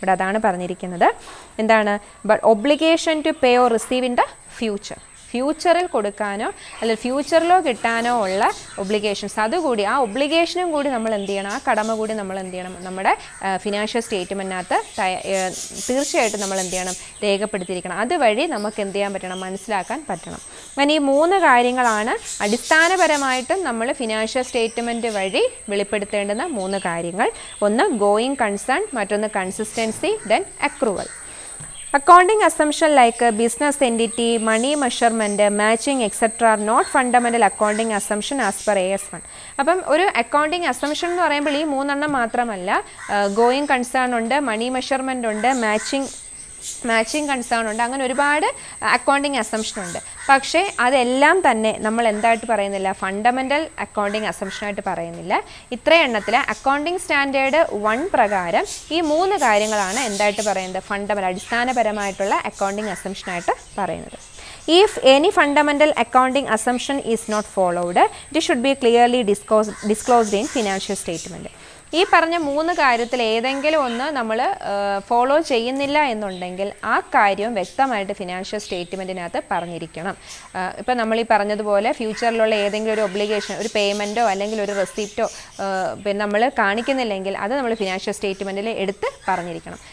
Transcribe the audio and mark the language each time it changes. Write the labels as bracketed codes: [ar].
[ml] ഇവിടെ അതാണ് പറഞ്ഞിരിക്കുന്നത്. എന്താണ് [en] obligation to pay or receive in the future, [ml] ഫ്യൂച്ചറിൽ കൊടുക്കാനോ അല്ലെങ്കിൽ ഫ്യൂച്ചറിലോ കിട്ടാനോ ഉള്ള ഒബ്ലിഗേഷൻസ്, അതുകൂടി ആ ഒബ്ലിഗേഷനും കൂടി നമ്മൾ എന്ത് ചെയ്യണം, ആ കടമ കൂടി നമ്മൾ എന്ത് ചെയ്യണം, നമ്മുടെ ഫിനാൻഷ്യൽ സ്റ്റേറ്റ്മെൻറ്റിനകത്ത് തീർച്ചയായിട്ടും നമ്മൾ എന്ത് ചെയ്യണം, രേഖപ്പെടുത്തിയിരിക്കണം. അതുവഴി നമുക്ക് എന്ത് ചെയ്യാൻ പറ്റണം, മനസ്സിലാക്കാൻ പറ്റണം. അങ്ങനെ ഈ മൂന്ന് കാര്യങ്ങളാണ് അടിസ്ഥാനപരമായിട്ടും നമ്മൾ ഫിനാൻഷ്യൽ സ്റ്റേറ്റ്മെൻറ്റ് വഴി വെളിപ്പെടുത്തേണ്ടുന്ന മൂന്ന് കാര്യങ്ങൾ. ഒന്ന് ഗോയിങ് കൺസേൺ, മറ്റൊന്ന് consistency, then accrual. [en] Accounting assumption like business entity, money measurement, matching etc. are not fundamental accounting assumption as per AS1. [ml] അപ്പം ഒരു അക്കൗണ്ടിങ് അസംഷൻ എന്ന് പറയുമ്പോൾ ഈ മൂന്നെണ്ണം മാത്രമല്ല, ഗോയിങ് കൺസേൺ ഉണ്ട്, മണി മെഷർമെൻ്റ് ഉണ്ട്, മാച്ചിങ് കൺസേൺ ഉണ്ട്, അങ്ങനെ ഒരുപാട് അക്കൗണ്ടിങ് അസംഷൻ ഉണ്ട്. പക്ഷേ അതെല്ലാം തന്നെ നമ്മൾ എന്തായിട്ട് പറയുന്നില്ല, ഫണ്ടമെൻ്റൽ അക്കൗണ്ടിങ് അസംഷനായിട്ട് പറയുന്നില്ല. ഇത്രയെണ്ണത്തിൽ അക്കൗണ്ടിങ് സ്റ്റാൻഡേർഡ് 1 പ്രകാരം ഈ മൂന്ന് കാര്യങ്ങളാണ് എന്തായിട്ട് പറയുന്നത്, ഫണ്ടമെൻ്റൽ അടിസ്ഥാനപരമായിട്ടുള്ള അക്കൗണ്ടിങ് അസംഷനായിട്ട് പറയുന്നത്. [en] If any fundamental accounting assumption is not followed, it should be clearly disclosed in financial statement. [ml] ഈ പറഞ്ഞ മൂന്ന് കാര്യത്തിൽ ഏതെങ്കിലും ഒന്ന് നമ്മൾ ഫോളോ ചെയ്യുന്നില്ല എന്നുണ്ടെങ്കിൽ ആ കാര്യം വ്യക്തമായിട്ട് ഫിനാൻഷ്യൽ സ്റ്റേറ്റ്മെൻറ്റിനകത്ത് പറഞ്ഞിരിക്കണം. ഇപ്പം നമ്മൾ ഈ പറഞ്ഞതുപോലെ ഫ്യൂച്ചറിലുള്ള ഏതെങ്കിലും ഒരു ഒബ്ലിഗേഷൻ, ഒരു പേയ്മെൻറ്റോ അല്ലെങ്കിൽ ഒരു റെസിപ്റ്റോ പിന്നെ നമ്മൾ കാണിക്കുന്നില്ലെങ്കിൽ അത് നമ്മൾ ഫിനാൻഷ്യൽ സ്റ്റേറ്റ്മെൻറ്റിൽ എടുത്ത് പറഞ്ഞിരിക്കണം.